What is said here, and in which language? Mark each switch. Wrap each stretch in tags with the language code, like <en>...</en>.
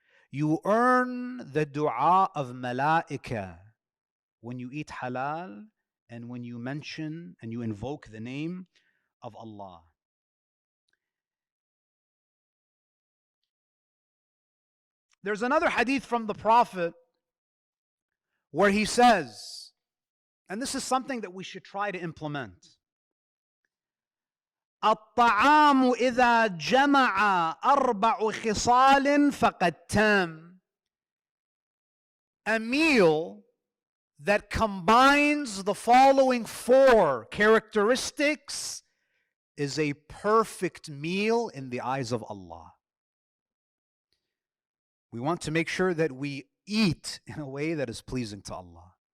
<en>You earn the dua of Malaika when you eat halal and when you mention and you invoke the name of Allah. There's another hadith from the Prophet where he says, and this is something that we should try to implement.</en> <ar>الطعام إذا جمع أربع خصال فقد تم.</ar> <en>A meal that combines the following four characteristics is a perfect meal in the eyes of Allah. We want to make sure that we eat in a way that is pleasing to Allah.</en>